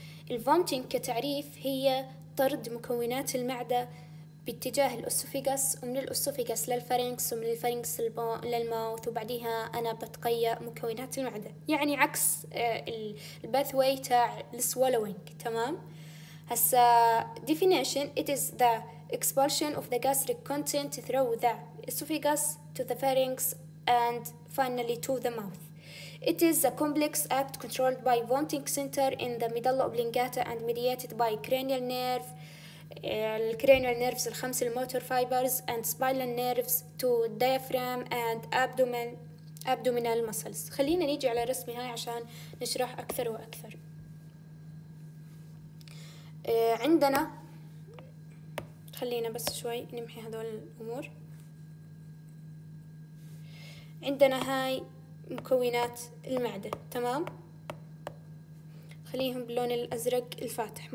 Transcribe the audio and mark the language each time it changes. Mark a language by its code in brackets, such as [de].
[ar] الفومتينج كتعريف هي طرد مكونات المعدة باتجاه الأسوفيغاس، ومن الأسوفيغاس للفارينكس، ومن الفارينكس للماوث، وبعديها أنا بتقيا مكونات المعدة، يعني عكس الباثوي تاع السولوينج. تمام. [en] هسا definition: it is the expulsion of the gastric content through the esophagus to the pharynx and finally to the mouth. It is a complex act controlled by vomiting center in the medulla oblongata and mediated by cranial nerve, cranial nerves الخمس motor fibers and spinal nerves to diaphragm and abdominal muscles. [ar] خلينا نيجي على رسمي هاي عشان نشرح أكثر وأكثر. عندنا، خلينا بس شوي نمحي هذول الأمور. عندنا هاي مكونات المعدة، تمام؟ خليهم باللون الأزرق الفاتح.